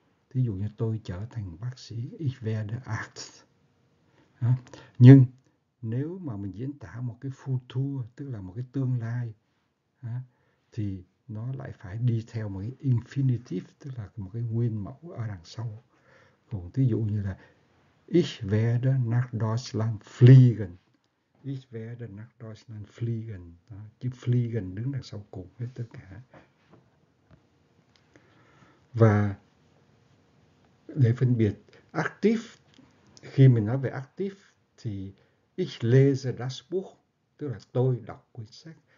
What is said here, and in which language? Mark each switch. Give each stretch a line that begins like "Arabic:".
Vietnamese: Thí dụ như tôi trở thành bác sĩ,
German: ich werde Arzt.
Vietnamese: Nhưng nếu mà mình diễn tả một cái future, tức là một cái tương lai, thì nó lại phải đi theo một cái infinitive, tức là một cái nguyên mẫu ở đằng sau. Còn thí dụ như là
German: ich werde nach Deutschland fliegen. Ich werde nach Deutschland fliegen.
Vietnamese: Đó, chữ fliegen đứng đằng sau cùng hết tất cả. Và để phân biệt active, khi mình nói về active thì
German: ich lese das Buch,
Vietnamese: tức là tôi đọc quyển sách.